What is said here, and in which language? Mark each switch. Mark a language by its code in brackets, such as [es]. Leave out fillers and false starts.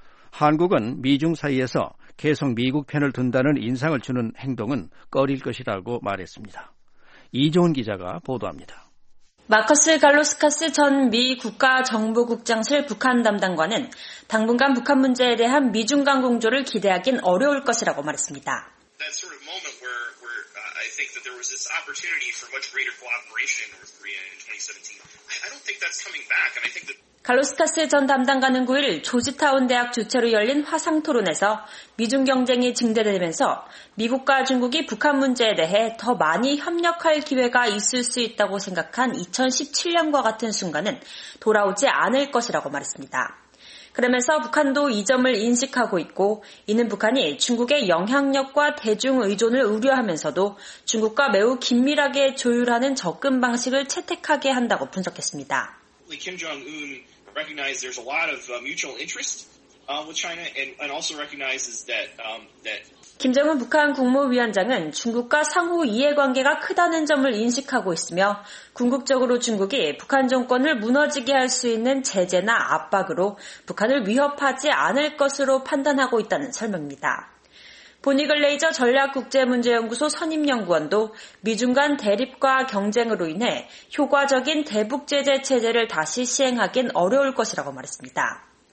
[ko] 한국은 미중 사이에서 계속 미국 편을 둔다는 인상을 주는 행동은 꺼릴 것이라고 말했습니다. 이종훈 기자가 보도합니다. 마커스 갈로스카스 전 미 국가정보국장실 북한 담당관은 당분간 북한 문제에 대한 미중 간 공조를 기대하긴 어려울 것이라고 말했습니다. [en] That sort of moment where I think that there was this opportunity for much greater cooperation in North Korea in 2017. I don't think that's coming back and I think that [ko] 갈로스카스 전 담당관은 9일 조지타운 대학 주최로 열린 화상 토론에서 미중 경쟁이 증대되면서 미국과 중국이 북한 문제에 대해 더 많이 협력할 기회가 있을 수 있다고 생각한 2017년과 같은 순간은 돌아오지 않을 것이라고 말했습니다. 그러면서 북한도 이 점을 인식하고 있고 이는 북한이 중국의 영향력과 대중 의존을 우려하면서도 중국과 매우 긴밀하게 조율하는 접근 방식을 채택하게 한다고 분석했습니다. [en] Kim Jong-un recognizes there's a lot of mutual interest with China and also recognizes that that [ko] 김정은 북한 국무위원장은 중국과 상호 이해관계가 크다는 점을 인식하고 있으며 궁극적으로 중국이 북한 정권을 무너지게 할 수 있는 제재나 압박으로 북한을 위협하지 않을 것으로 판단하고 있다는 설명입니다. 보니 글레이저 전략국제문제연구소 선임연구원도 미중 간 대립과 경쟁으로 인해 효과적인 대북 제재 체제를 다시 시행하긴 어려울 것이라고 말했습니다.